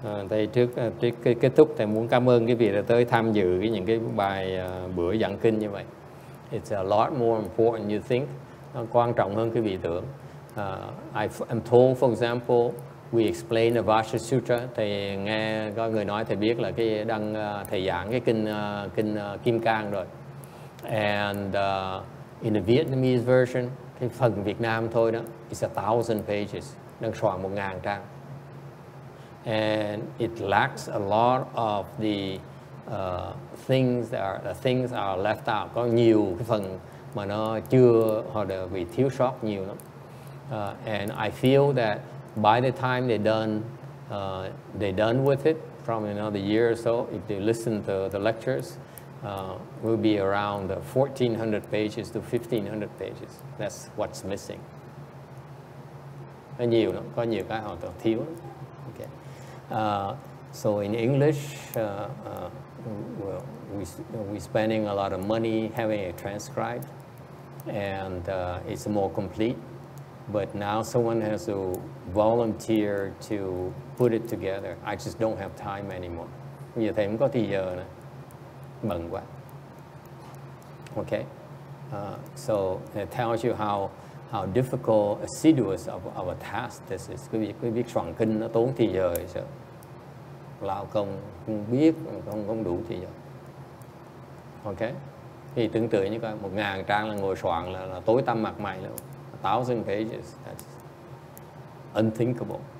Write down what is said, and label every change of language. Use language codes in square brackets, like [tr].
[vi] Thầy trước khi kết thúc, thầy muốn cảm ơn quý vị đã tới tham dự những cái bài bữa giảng kinh như vậy. [en] It's a lot more important than you think. [vi] Nó quan trọng hơn quý vị tưởng. [en] I'm told, for example, we explain the Vajra Sutra. [vi] Thầy nghe có người nói thầy biết là cái đang thầy giảng cái kinh Kim Cang rồi. [en] And in the Vietnamese version, [vi] cái phần Việt Nam thôi đó, [en] it's 1,000 pages, [vi] đang soạn 1,000 trang. [en] And it lacks a lot of the things are left out. [vi] Có nhiều cái phần mà nó chưa hoặc là bị thiếu sót nhiều lắm. [en] And I feel that by the time they're done with it from another year or so, if they listen to the lectures, will be around 1,400 pages to 1,500 pages. That's what's missing. [vi] Nhiều lắm, có nhiều cái họ còn thiếu lắm. [en] So in English, we're spending a lot of money having it transcribed, and it's more complete. But now someone has to volunteer to put it together. I just don't have time anymore. [vi] Giờ thầy không có thời giờ nữa, bận quá. [en] Okay. So it tells you how difficult, assiduous of a task this is. [vi] Quý biết soạn kinh nó tốn thời giờ chứ. Lao công không biết không đủ thì giờ. Ok, thì tương tự như coi 1,000 trang là ngồi soạn là tối tăm mặt mày luôn. [en] 1,000 pages, that's unthinkable.